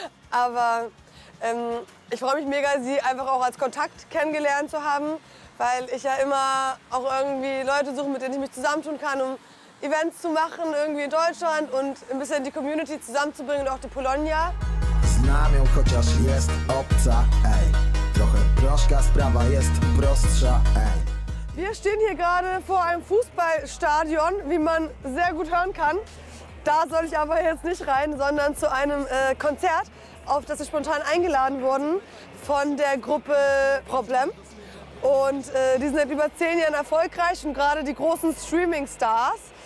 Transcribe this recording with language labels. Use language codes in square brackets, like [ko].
[de] Aber ich freue mich mega, Sie einfach auch als Kontakt kennengelernt zu haben. Weil ich ja immer auch irgendwie Leute suche, mit denen ich mich zusammentun kann, um Events zu machen, irgendwie in Deutschland und ein bisschen die Community zusammenzubringen und auch die Polonia. [pl] Znam ją, chociaż jest obca, ey. Trochę proszka, sprawa jest prostsza, ey. [de] Wir stehen hier gerade vor einem Fußballstadion, wie man sehr gut hören kann. Da soll ich aber jetzt nicht rein, sondern zu einem Konzert, auf das wir spontan eingeladen wurden von der Gruppe Problem. Und die sind seit über 10 Jahren erfolgreich und gerade die großen Streaming-Stars.